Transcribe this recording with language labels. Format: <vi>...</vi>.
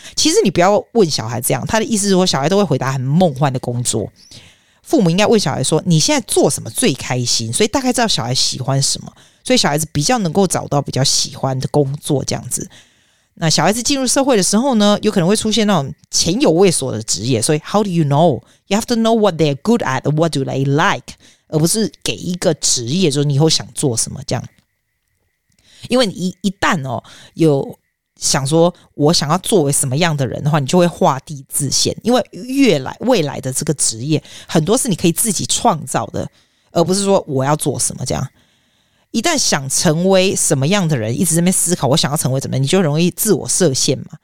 <zh>其实你不要问小孩这样，他的意思是说小孩都会回答很梦幻的工作。父母应该问小孩说，你现在做什么最开心？所以大概知道小孩喜欢什么，所以小孩子比较能够找到比较喜欢的工作这样子。那小孩子进入社会的时候呢，有可能会出现那种前有未所的职业，所以 how do you know?</zh> <en>You have to know what they're good at, what do they like, 而不是给一个职业，就是你以后想做什么这样。</en> <zh>因为一旦哦，有想说我想要作为什么样的人的话，你就会画地自限。因为未来的这个职业很多是你可以自己创造的，而不是说我要做什么这样。一旦想成为什么样的人，一直在那边思考我想要成为怎么样，你就容易自我设限嘛。</zh>